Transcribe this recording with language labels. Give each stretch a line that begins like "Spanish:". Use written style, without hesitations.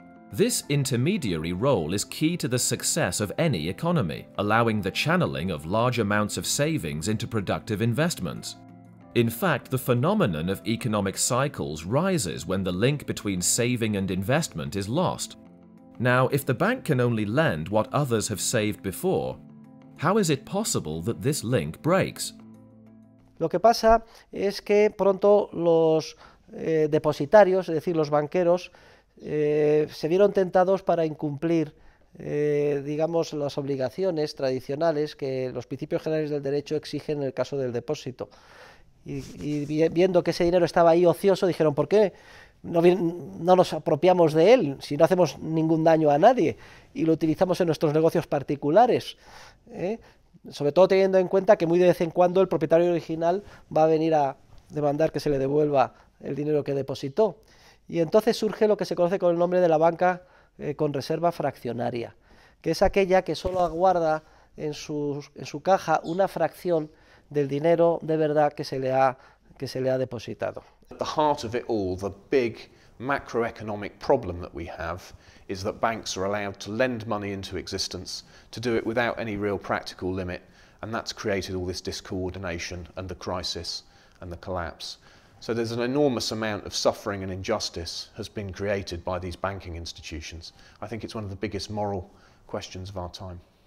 English: This intermediary role is key to the success of any economy, allowing the channeling of large amounts of savings into productive investments. In fact, the phenomenon of economic cycles rises when the link between saving and investment is lost. Now, if the bank can only lend what others have saved before, how is it possible that this link breaks?
Spanish: Lo que pasa es que pronto los depositarios, es decir, los banqueros, se vieron tentados para incumplir digamos, las obligaciones tradicionales que los principios generales del derecho exigen en el caso del depósito. Y viendo que ese dinero estaba ahí ocioso, dijeron, ¿por qué no nos apropiamos de él si no hacemos ningún daño a nadie y lo utilizamos en nuestros negocios particulares? Sobre todo teniendo en cuenta que muy de vez en cuando el propietario original va a venir a demandar que se le devuelva el dinero que depositó. Y entonces surge lo que se conoce con el nombre de la banca con reserva fraccionaria, que es aquella que solo aguarda en su caja una fracción del dinero de verdad que se le ha depositado.
English: At the heart of it all, the big macroeconomic problem that we have is that banks are allowed to lend money into existence, to do it without any real practical limit, and that's created all this discoordination and the crisis and the collapse. So there's an enormous amount of suffering and injustice has been created by these banking institutions. I think it's one of the biggest moral questions of our time.